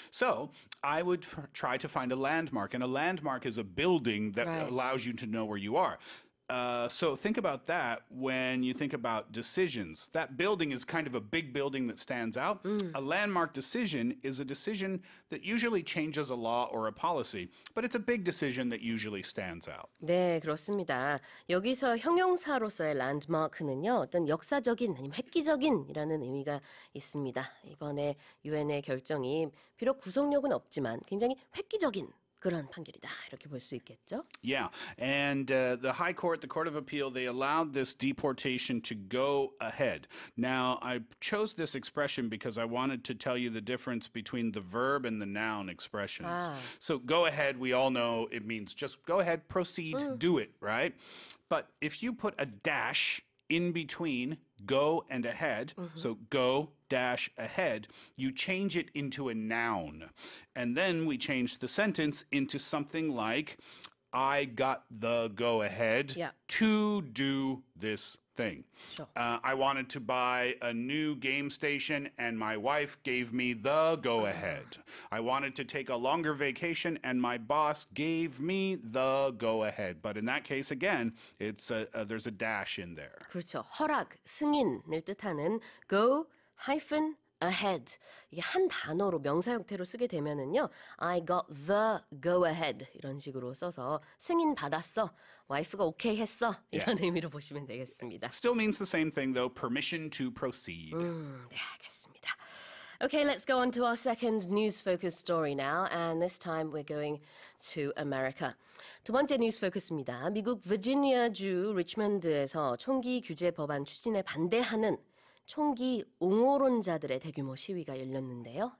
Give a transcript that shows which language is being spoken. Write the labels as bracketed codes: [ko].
[en] So I would try to find a landmark. And a landmark is a building that allows you to know where you are. So think about that when you think about decisions. That building is kind of a big building that stands out. Mm. A landmark decision is a decision that usually changes a law or a policy, but it's a big decision that usually stands out. [ko] 네, 그렇습니다. 여기서 형용사로서의 landmark는요, 어떤 역사적인 아니면 획기적인이라는 의미가 있습니다. 이번에 UN의 결정이 비록 구속력은 없지만 굉장히 획기적인 그런 판결이다 이렇게 볼 수 있겠죠. [en] Yeah, and the High Court, the Court of Appeal, they allowed this deportation to go ahead. Now, I chose this expression because I wanted to tell you the difference between the verb and the noun expressions. 아. So, go ahead, we all know it means just go ahead, proceed, do it, right? But if you put a dash in between go and ahead, so go dash ahead, you change it into a noun. And then we change the sentence into something like, I got the go ahead to do this thing. Sure. I wanted to buy a new game station and my wife gave me the go ahead. I wanted to take a longer vacation and my boss gave me the go ahead. But in that case, again, it's there's a dash in there. [ko] 그렇죠. 허락, 승인을 뜻하는 go hyphen ahead. 이게 한 단어로 명사 형태로 쓰게 되면은요. [en] I got the go ahead [ko] 이런 식으로 써서 승인 받았어. 와이프가 오케이 했어. 이런 의미로 보시면 되겠습니다. [en] Still means the same thing though. Permission to proceed. [ko] 네, 알겠습니다. [en] Okay, let's go on to our second news focus story now, and this time we're going to America. [ko] 두 번째 뉴스 포커스입니다. 미국 버지니아주 리치먼드에서 총기 규제 법안 추진에 반대하는 총기 옹호론자들의 대규모 시위가 열렸는데요.